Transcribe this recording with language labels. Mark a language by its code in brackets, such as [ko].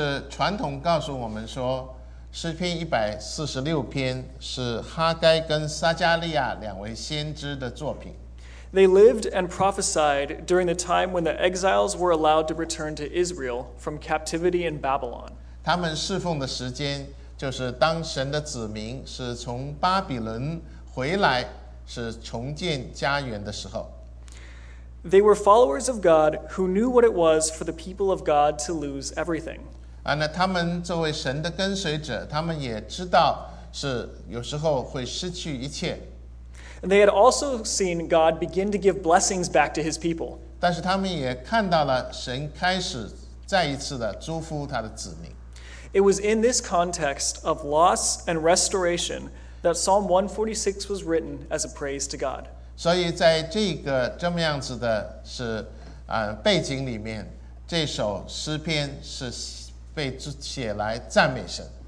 [zh] 传统告诉我们说诗篇146篇是哈该跟撒加利亚两位先知的作品。 [en] They lived and prophesied during the time when the exiles were allowed to return to Israel from captivity in Babylon. [zh] 他们侍奉的时间就是当神的子民是从巴比伦回来是重建家园的时候。 [en] They were followers of God who knew what it was for the people of God to lose everything. [zh] 那他们作为神的跟随者，他们也知道是有时候会失去一切。 [en] They had also seen God begin to give blessings back to his people. [zh] 但是他们也看到了神开始再一次的祝福他的子民。 [en] It was in this context of loss and restoration that Psalm 146 was written as a praise to God. [zh] 所以在这个这么样子的是背景里面，这首诗篇是被写来赞美神。